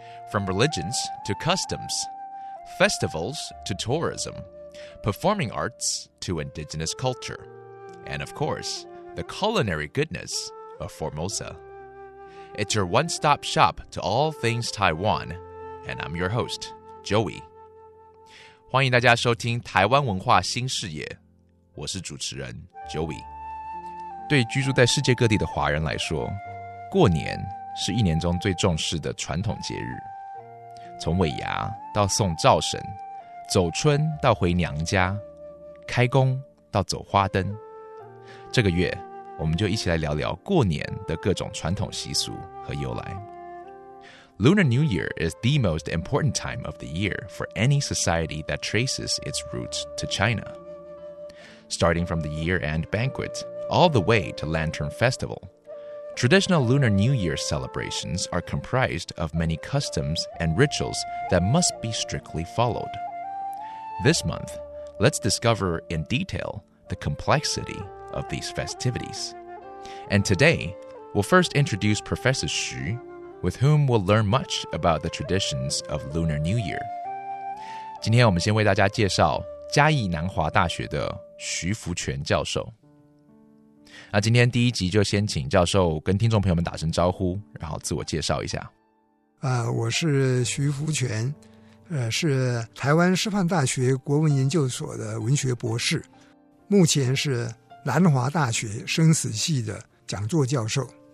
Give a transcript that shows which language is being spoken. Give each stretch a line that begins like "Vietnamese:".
English: From religions to customs, festivals to tourism, performing arts to indigenous culture, and of course, the culinary goodness of Formosa. It's your one-stop shop to all things Taiwan, and I'm your host, Joey.
Chinese: 欢迎大家收听台湾文化新视野，我是主持人 Joey。对居住在世界各地的华人来说，过年是一年中最重视的传统节日，从尾牙到送灶神，走春到回娘家，开工到走花灯，这个月我们就一起来聊聊过年的各种传统习俗和由来。
English: Lunar New Year is the most important time of the year for any society that traces its roots to China. Starting from the year-end banquet all the way to Lantern Festival, traditional Lunar New Year celebrations are comprised of many customs and rituals that must be strictly followed. This month, let's discover in detail the complexity of these festivities. And today, we'll first introduce Professor Xu,with whom we'll learn much about the traditions of Lunar New Year.
Chinese: 今天我们先为大家介绍嘉义南华大学的徐福全教授。那今天第一集就先请教授跟听众朋友们打声招呼，然后自我介绍一下。我是徐福全，是台湾师范大学国文研究所的文学博士，目前是南华大学生死系的讲座教授。